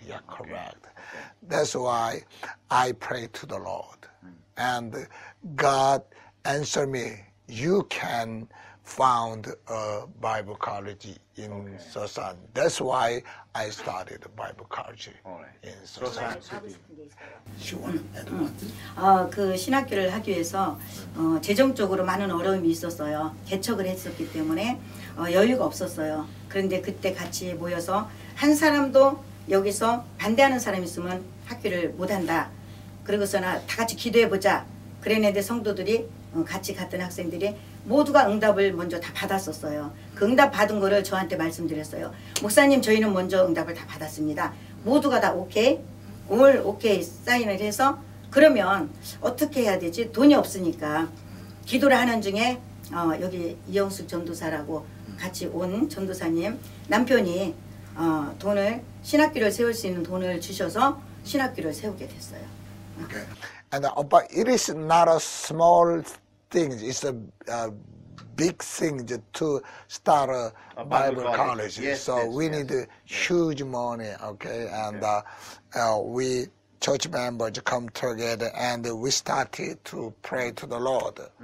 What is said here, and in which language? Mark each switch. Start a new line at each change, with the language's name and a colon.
English: Yeah, correct. Okay. That's why I pray to the Lord. And God answered me, you can found a Bible college in Sosan. That's why I started a Bible college in Sosan. She wanted to add one.
Korean: 그 신학교를 하기 위해서 재정적으로 많은 어려움이 있었어요. 개척을 했었기 때문에 여유가 없었어요. 그런데 그때 같이 모여서 한 사람도 여기서 반대하는 사람이 있으면 학교를 못한다. 그러고서나 다 같이 기도해보자. 그랬는데 성도들이 같이 갔던 학생들이 모두가 응답을 먼저 다 받았었어요. 그 응답 받은 거를 저한테 말씀드렸어요. 목사님 저희는 먼저 응답을 다 받았습니다. 모두가 다 오케이? 올 오케이 사인을 해서 그러면 어떻게 해야 되지? 돈이 없으니까 기도를 하는 중에 여기 이영숙 전도사라고 같이 온 전도사님 남편이 돈을 신학교를 세울 수 있는 돈을 주셔서 신학교를 세우게 됐어요.
English: And but it is not a small thing. It's a big thing to start a Bible college. Yes, so yes, we yes. need huge money, okay? And we church members come together and we started to pray to the Lord.